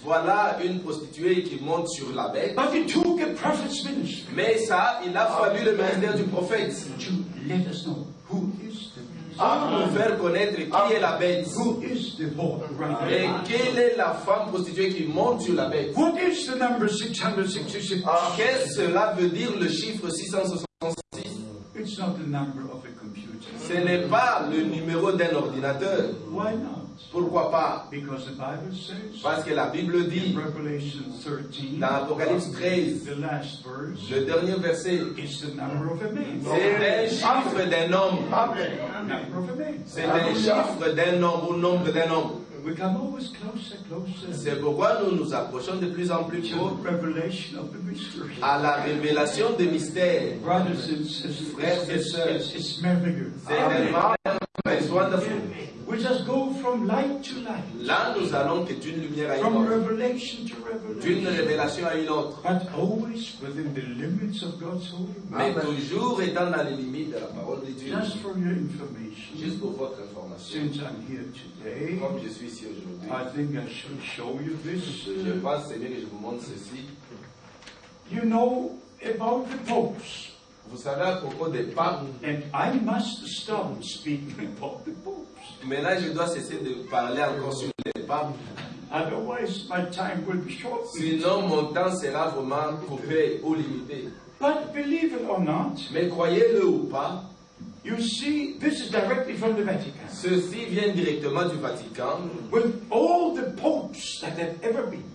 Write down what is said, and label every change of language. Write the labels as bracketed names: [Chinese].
[French] Voilà une prostituée qui monte sur la bête. [English] But it took a prophet's ministry. [French] Mais ça, il a fallu le ministère du prophète. [English] To let us know who is the beast. [French] Pour faire connaître qui est la bête. [English] Who is the right. [French] Et quelle est la femme prostituée qui monte sur la bête. [English] What is the number 666? [French] Qu'est-ce que cela veut dire le chiffre 666? [English] It's not the number of a computer. [French] Ce n'est pas le numéro d'un ordinateur. [English] Why not? [French] Pourquoi pas? [English] Because the Bible says, [French] parce que la Bible dit, [English] in Revelation 13, [French] dans Apocalypse 13, [English] the last verse, [French] le dernier verset, [English] it's the number of a man. [French] C'est un chiffre d'un homme. [English] Amen. [French] C'est le chiffre d'un homme ou nombre d'un homme. [English] We come always closer, closer. [French] C'est pourquoi nous nous approchons de plus en plus tôt [English] revelation of the mystery. [French] À la révélation des mystères. [English] Brothers and sisters, [French] frères et sœurs, [English] it's merveilleux. [French] C'est tellement merveilleux. [English] We just go from light to light. [French] Là, nous allons que d'une lumière à une [English] from [French] autre. [English] Revelation to revelation. [French] D'une révélation à une autre. [English] But always within the limits of God's holy word. [French] Mais toujours étant dans les limites de la parole de Dieu. [English] Just for your information. [French] Juste pour votre information. [English] Since I'm here today. [French] Comme je suis ici aujourd'hui. [English] I think I should show you this. [French] Je pense c'est bien que je vous montre ceci. [English] You know about the popes. [French] Vous savez à propos des papes. [English] And I must stop speaking about the popes. [French] Mais là, je dois cesser de parler encore sur les papes. [English] Otherwise, my time will be short. [French] Sinon, mon temps sera vraiment coupé ou limité. [English] But believe it or not, [French] mais croyez-le ou pas, [English] you see, this is directly from the Vatican. [French] Ceci vient directement du Vatican. [English] With all the popes that have ever been.